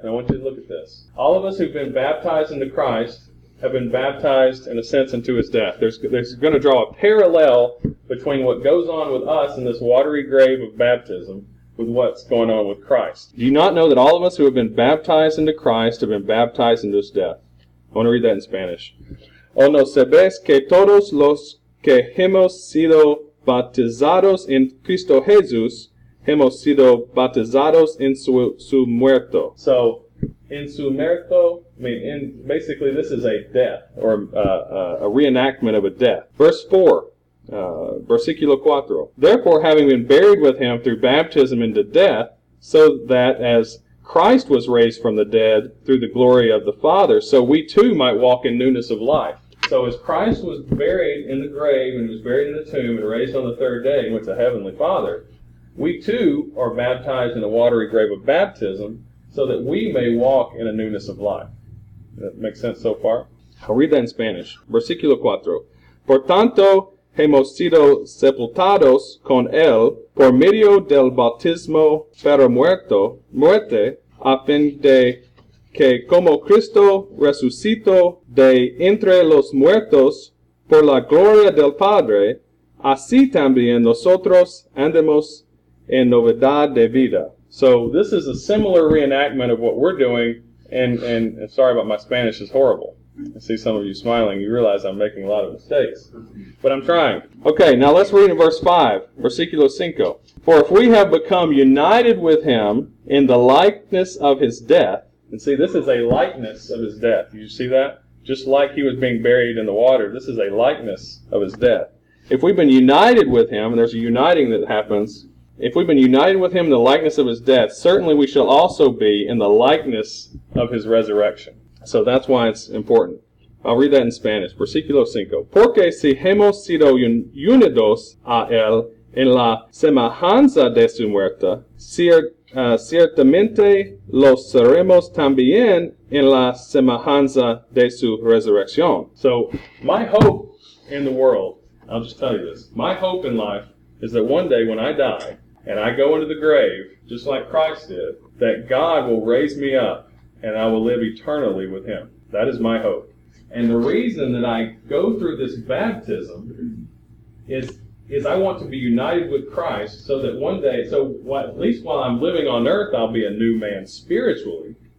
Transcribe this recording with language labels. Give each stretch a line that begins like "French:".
English: Now I want you to look at this. All of us who've been baptized into Christ have been baptized, in a sense, into his death. There's going to draw a parallel between what goes on with us in this watery grave of baptism with what's going on with Christ. Do you not know that all of us who have been baptized into Christ have been baptized into his death? I want to read that in Spanish.
Spanish: ¿O no sabes que todos los que hemos sido bautizados en Cristo Jesús hemos sido bautizados en su muerto?
English: So,
Spanish: en su muerto,
English: I mean, basically this is a death, or a reenactment of a death. Verse 4, versículo 4. Therefore, having been buried with him through baptism into death, so that as Christ was raised from the dead through the glory of the Father, so we too might walk in newness of life. So as Christ was buried in the grave and was buried in the tomb and raised on the third day and went to Heavenly Father, we too are baptized in the watery grave of baptism so that we may walk in a newness of life. That makes sense so far? I'll read that in Spanish. Versículo 4.
Spanish: Por tanto, hemos sido sepultados con él por medio del bautismo para muerte, a fin de que como Cristo resucitó de entre los muertos por la gloria del Padre, así también nosotros andemos en novedad de vida.
English: So this is a similar reenactment of what we're doing. And sorry about my Spanish, is horrible. I see some of you smiling. You realize I'm making a lot of mistakes. But I'm trying. Okay, now let's read in verse 5, versículo 5. For if we have become united with him in the likeness of his death, and see, this is a likeness of his death. You see that? Just like he was being buried in the water, this is a likeness of his death. If we've been united with him, and there's a uniting that happens, if we've been united with him in the likeness of his death, certainly we shall also be in the likeness of his resurrection. So that's why it's important. I'll read that in Spanish. Versículo 5.
Spanish: Porque si hemos sido unidos a él en la semejanza de su muerte, ciertamente lo seremos también en la semejanza de su resurrección.
English: So my hope in the world, I'll just tell you this, my hope in life is that one day when I die, and I go into the grave, just like Christ did, that God will raise me up and I will live eternally with him. That is my hope. And the reason that I go through this baptism is I want to be united with Christ so that one day, at least while I'm living on earth, I'll be a new man spiritually.